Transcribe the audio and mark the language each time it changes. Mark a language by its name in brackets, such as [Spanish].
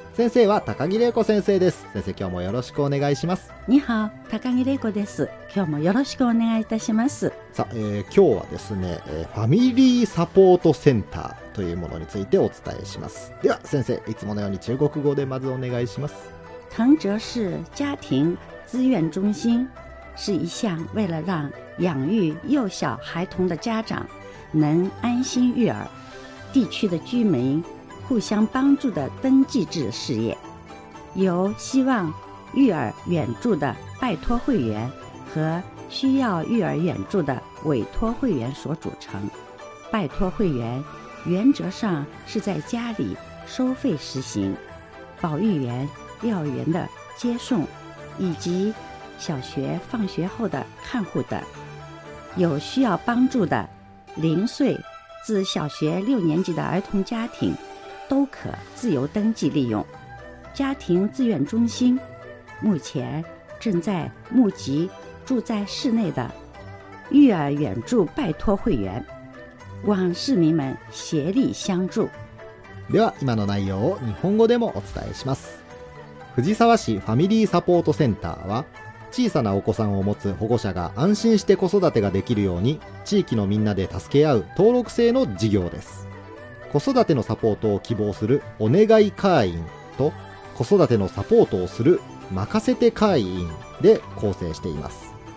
[Japanese] 先生は高木玲子先生です。先生、今日もよろしくお願いします。ニハオ、高木玲子です。今日もよろしくお願いいたします。さあ、今日はですね、ファミリーサポートセンターというものについてお伝えします。では先生、いつものように中国語でまずお願いします。 [Chinese] 藤泽市家庭资源中心是一项为了让养育幼小孩童的家长能安心育儿、地区的居民互相帮助的登记制事业，由希望育儿援助的拜托会员和需要育儿援助的委托会员所组成。拜托会员原则上是在家里收费实行，保育员、幼儿园的接送以及小学放学后的看护等。有需要帮助的零岁至小学六年级的儿童家庭都可自由登记利用。家庭志愿中心目前正在募集住在市内的育儿援助拜托会员，望市民们协力相助。 [Japanese] では今の内容を日本語でもお伝えします。藤沢市ファミリーサポートセンターは、小さなお子さんを持つ保護者が安心して子育てができるように地域のみんなで助け合う登録制の事業です。子育てのサポートを希望するお願い会員と、子育てのサポートをする任せて会員で構成しています。